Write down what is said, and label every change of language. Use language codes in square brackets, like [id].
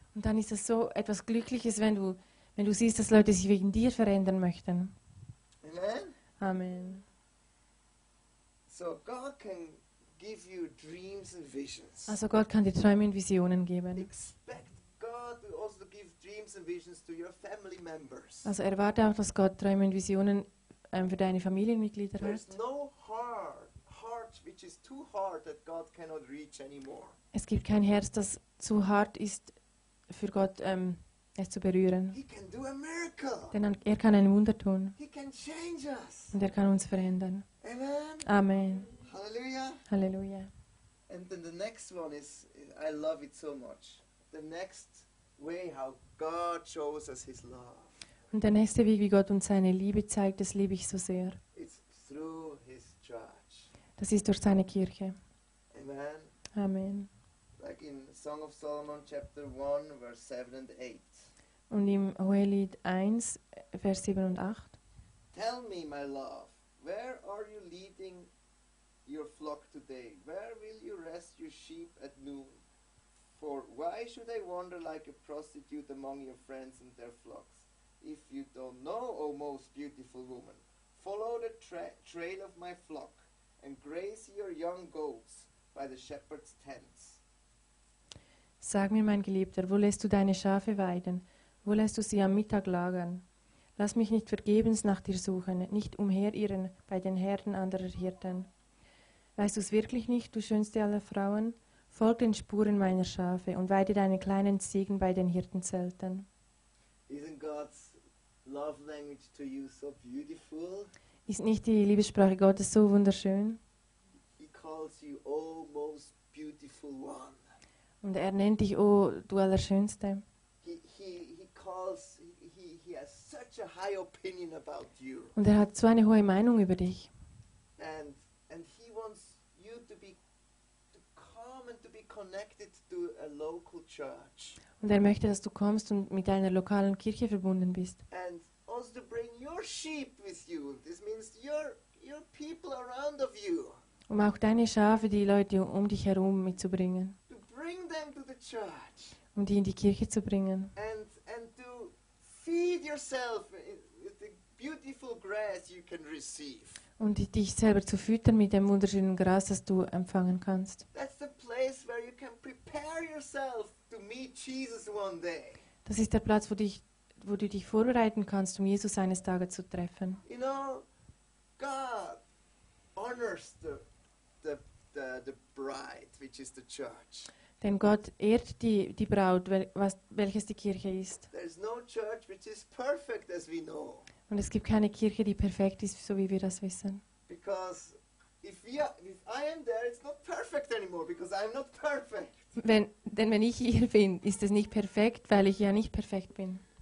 [de] Und dann ist es so etwas Glückliches, wenn du siehst, dass Leute sich wegen dir verändern möchten. Amen. Amen. [en] So God can give you dreams and visions. [de] Also Gott kann dir Träume und Visionen geben. [en] Expect God to also give dreams and visions to your family members. [de] Also erwarte auch, dass Gott Träume und Visionen für deine Familienmitglieder hat. [en] There's no heart which is too hard that God cannot reach anymore. [de] Es gibt kein Herz, das zu hart ist für Gott, es zu berühren. [en] He can do a miracle. [de] Denn er kann ein Wunder tun. [en] He can change us. [de] Und er kann uns verändern. Amen. Amen. Hallelujah. Hallelujah. [en] And then the next one is, I love it so much. The next way how God shows us his love. [de] Und der nächste Weg, wie Gott uns seine Liebe zeigt, das liebe ich so sehr. [en] It's through his church. [de] Das ist durch seine Kirche. Amen. Amen. [en] Like in Song of Solomon chapter 1 verse 7 and 8. [de] Und im Hohelied 1 Vers 7 und 8. [en] Tell me, my love, where are you leading your flock today? Where will you rest your sheep at noon? For why should I wander like a prostitute among your friends and their flocks? If you don't know, O most beautiful woman, follow the trail of my flock and graze your young goats by the shepherd's tents. [de] Sag mir, mein Geliebter, wo lässt du deine Schafe weiden? Wo lässt du sie am Mittag lagern? Lass mich nicht vergebens nach dir suchen, nicht umherirren bei den Herden anderer Hirten. Weißt du es wirklich nicht, du schönste aller Frauen? Folg den Spuren meiner Schafe und weide deine kleinen Ziegen bei den Hirtenzelten. [en] Isn't God's love language to you so beautiful? [de] Ist nicht die Liebessprache Gottes so wunderschön? [en] He calls you, oh, most beautiful one. [de] Und er nennt dich, oh, du Allerschönste. [en] He has such a high opinion about you. [de] Und er hat so eine hohe Meinung über dich. [en] And he wants you to come and to be connected to a local church. [de] Und er möchte, dass du kommst und mit deiner lokalen Kirche verbunden bist. [en] And also to bring your sheep with you. This means your people around of you. [de] Um auch deine Schafe, die Leute um dich herum mitzubringen. [en] Bring them to the church. [de] Um die in die Kirche zu bringen. [en] And to feed yourself with the beautiful grass you can receive. [de] Und dich selber zu füttern mit dem wunderschönen Gras, das du empfangen kannst. [en] That's the place where you can prepare yourself to meet Jesus one day. [de] Das ist der Platz, wo du dich vorbereiten kannst, um Jesus eines Tages zu treffen. [en] You know, God honors the bride, which is the church. [de] Denn Gott ehrt die Braut, welches die Kirche ist. [en] There is no church which is perfect, as we know. [de] Und es gibt keine Kirche, die perfekt ist, so wie wir das wissen. [en] Because if I am there, it's not perfect anymore, because I'm not perfect. [de] Wenn ich hier bin, ist es nicht perfekt, weil ich ja nicht perfekt bin.